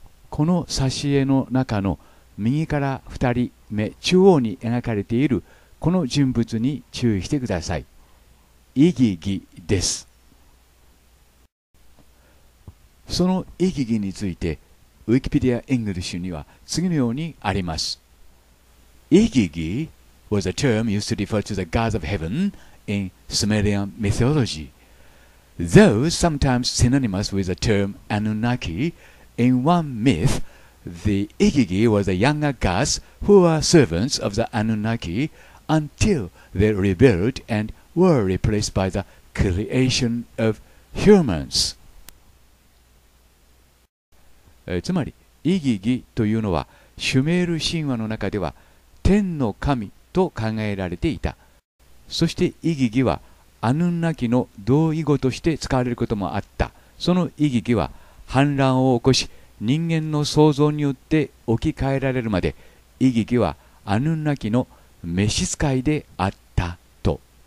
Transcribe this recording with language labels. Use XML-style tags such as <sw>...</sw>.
<ja>この挿絵の中の右から2人目中央に描かれているこの人物に注意してください。イギギです。そのイギギについてウィキペディア・イングリッシュには次のようにあります。</ja> <en>イギギ was a term used to refer to the gods of heaven in Sumerian mythology, though sometimes synonymous with the term Anunnaki. In one myth, the Igigi was a younger gods who were servants of the Anunnaki until they rebelled and were replaced by the creation of humans.</en> <ja>つまり、イギギというのはシュメール神話の中では天の神と考えられていた。そしてイギギはアヌンナキの同意語として使われることもあった。そのイギギは反乱を起こし、人間の創造によって置き換えられるまで、イギギはアヌンナキの召使いであったと。</ja>